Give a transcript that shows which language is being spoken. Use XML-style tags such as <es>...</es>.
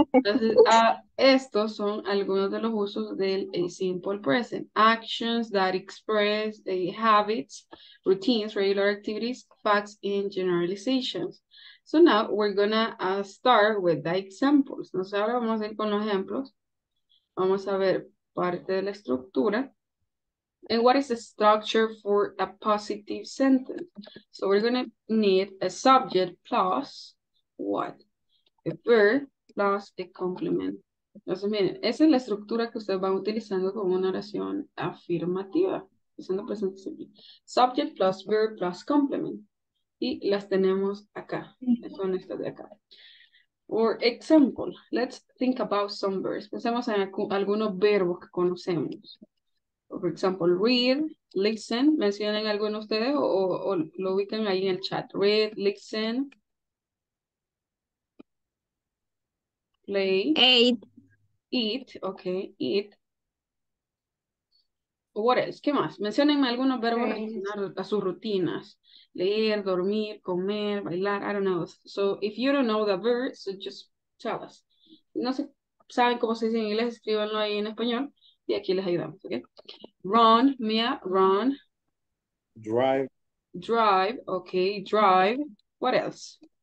<es>Entonces, estos son algunos de los usos del simple present.</es> <en>Actions that express habits, routines, regular activities, facts, and generalizations. So now we're gonna start with the examples. Entonces, ahora vamos a ir con los ejemplos. Vamos a ver parte de la estructura. And what is the structure for a positive sentence? So we're gonna need a subject plus what? A verb plus a complement.</en> <es>Entonces, miren, esa es la estructura que ustedes van utilizando como una oración afirmativa. Usando presente simple.</es> <en>Subject plus verb plus complement.</en> <es>Y las tenemos acá. Son estas de acá.</es> <en>For example, let's think about some verbs.</en> <es>Pensemos en algunos verbos que conocemos.</es> <en>For example, read, listen.</en> <es>¿Mencionen alguno de ustedes o lo ubican ahí en el chat?</es> <en>Read, listen. Play. Eat. Okay. Eat. What else?</en> <es>¿Qué más? Menciónenme algunos verbos relacionados a sus rutinas. Leer, dormir, comer, bailar.</es> <en>I don't know. So, if you don't know the verbs, so just tell us.</en> <es>No sé, ¿saben cómo se dice en inglés? Escríbanlo ahí en español. Y aquí les ayudamos, okay?</es> <en>Run, Mia, run. Drive. Drive, okay. Drive. What else?</en>